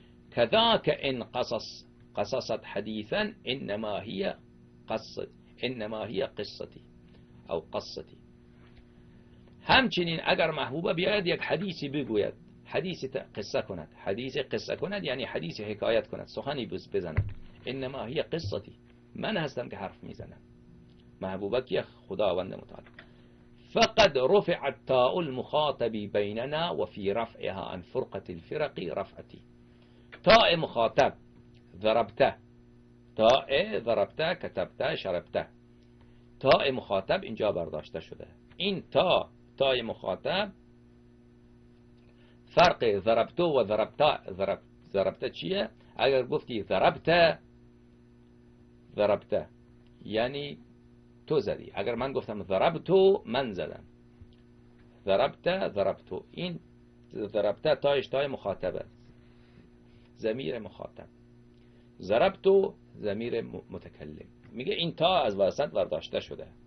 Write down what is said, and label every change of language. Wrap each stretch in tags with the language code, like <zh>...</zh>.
<ar>کذاک ان قصص، قصصت حدیثا انما هی قصت، انما هی قصتی او قصتی.</ar> <fa>همچنین اگر محبوبه بیاید یک حدیثی بگوید، حدیثی قصه کند، حدیثی قصه کند یعنی حدیثی حکایت کند، سخنی بزند،</fa> <ar>انما هی قصتی،</ar> <fa>من هستم که حرف میزنم، محبوبه کی؟ خداوند متعال.</fa> <ar>فقد رفع التاء المخاطب بيننا وفي رفعها عن فرقة الفرق رفعتي.</ar> <fa>تاء مخاطب، ضربته، تاء ضربته، كتبته، شربته، تاء مخاطب اینجا برداشته شده، این تاء، تاء مخاطب، فرق ضربته و ضربته، ضربته چیه؟ اگر گفتی ضربته، ضربته یعنی تو زدی، اگر من گفتم ضربتو من زدم، ضربته، ضربتو، این ضربته تایش تای مخاطب است، ضمیر مخاطب، ضربتو ضمیر متکلم، میگه این تا از وسط برداشته شده،</fa>